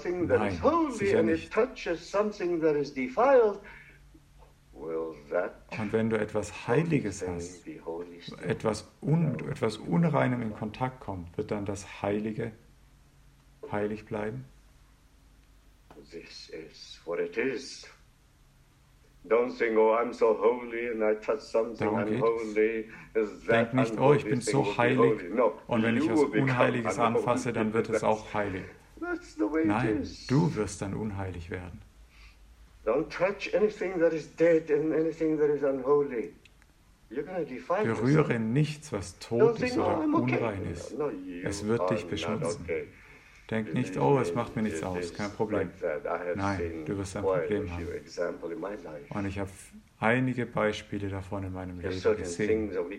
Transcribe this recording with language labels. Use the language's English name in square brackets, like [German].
[German] Nein, sicher nicht. Und wenn du etwas Heiliges hast, etwas Unreinem in Kontakt kommt, wird dann das Heilige heilig bleiben? [English] This is what it is. Don't think, oh, I'm so holy and I touch something unholy. [German] Denk nicht, oh, ich bin so heilig und wenn ich was Unheiliges anfasse, dann wird es auch heilig. Nein, du wirst dann unheilig werden. [English] Don't touch anything that is dead and anything that is unholy. [German] Berühre nichts, was tot ist oder unrein ist. Es wird dich beschmutzen. Denk nicht, oh, es macht mir nichts aus, kein Problem. Nein, du wirst ein Problem haben. Und ich habe einige Beispiele davon in meinem Leben gesehen.